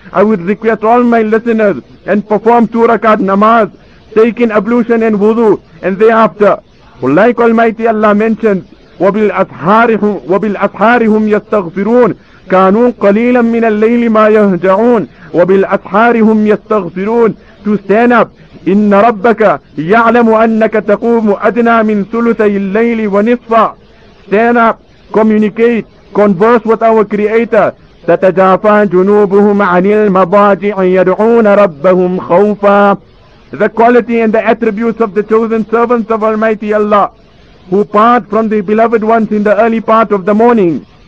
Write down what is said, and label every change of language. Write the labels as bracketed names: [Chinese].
[English] I would request all my listeners and perform 2 rakat namaz, taking ablution and wudu, and thereafter, like Almighty Allah mentioned, [Arabic] وَبِالْأَسْحَارِهُمْ يَسْتَغْفِرُونَ كَانُوا قَلِيلًا مِنَ اللَّيْلِ مَا يَهْجَعُونَ وَبِالْأَسْحَارِهُمْ يَسْتَغْفِرُونَ. [English] To stand up, [Arabic] إِنَّ رَبَّكَ يَعْلَمُ أَنَّكَ تَقُومُ أَدْنَى مِنْ ثُلُثَي اللَّيْلِ وَنِصْفًا. [English] Stand up, communicate, converse with our Creator. [Arabic] تَتَجَافَى جُنُوبُهُمْ عَنِ الْمَضَاجِعِ يَدْعُونَ رَبَّهُمْ خَوْفًا. [English] The quality and the attributes of the chosen servants of Almighty Allah who part from the beloved ones in the early part of the morning.